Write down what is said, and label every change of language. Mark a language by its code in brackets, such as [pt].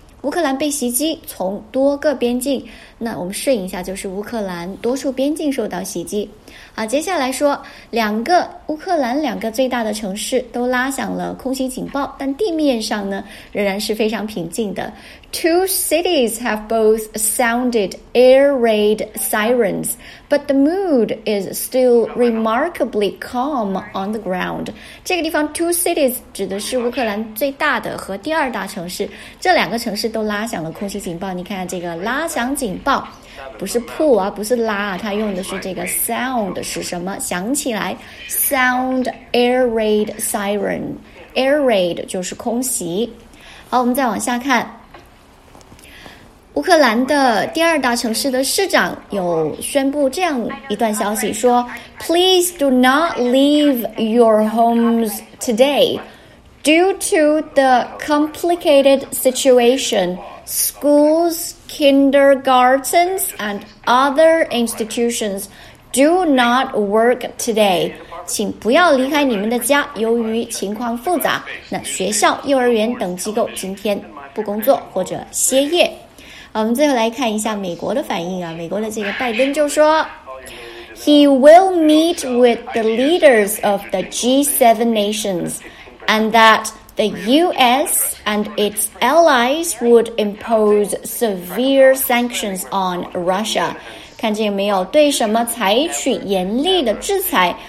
[zh] 乌克兰被袭击，从多个边境。那我们顺一下，就是乌克兰多处边境受到袭击。好，接下来说，两个乌克兰两个最大的城市都拉响了空袭警报，但地面上呢仍然是非常平静的。 [en] Two cities have both sounded air raid sirens, but the mood is still remarkably calm on the ground. [zh] 这个地方 two cities 指的是乌克兰最大的和第二大城市，这两个城市都拉响了空袭警报。你看这个拉响警报，不是 pull 啊，不是拉啊，它用的是这个 sound 是什么？响起来 ，sound air raid siren， air raid 就是空袭。好，我们再往下看，乌克兰的第二大城市的市长有宣布这样一段消息，说 ， [en] Please do not leave your homes today due to the complicated situation. Schools, kindergartens, and other institutions do not work today. [zh] 请不要离开你们的家，由于情况复杂，那学校、幼儿园等机构今天不工作或者歇业。我们最后来看一下美国的反应啊，美国的这个拜登就说 ， [en] He will meet with the leaders of the G7 nations, and that. The U.S. and its allies would impose severe sanctions on Russia. [zh] 看见没有？对什么采取严厉的制裁？